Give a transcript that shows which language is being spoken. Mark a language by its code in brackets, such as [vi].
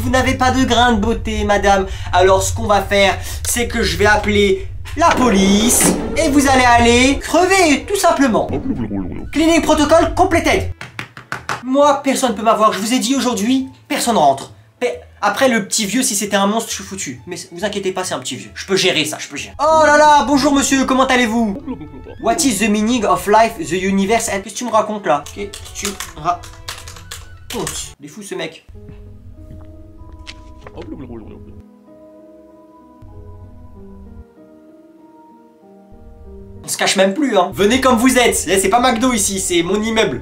[fr] Vous n'avez pas de grain de beauté, madame. Alors, ce qu'on va faire, c'est que je vais appeler la police et vous allez aller crever, tout simplement. Clinique protocole complété. Moi, personne ne peut m'avoir. Je vous ai dit aujourd'hui, personne rentre. Après, le petit vieux, si c'était un monstre, je suis foutu. Mais vous inquiétez pas, c'est un petit vieux. Je peux gérer ça, je peux gérer. Oh là là, bonjour monsieur, comment allez-vous? [en] What is the meaning of life, the universe? [fr] Qu'est-ce que tu me racontes là? Qu'est-ce que tu racontes? Il est fou ce mec. On se cache même plus, hein. Venez comme vous êtes. C'est pas McDo ici, c'est mon immeuble.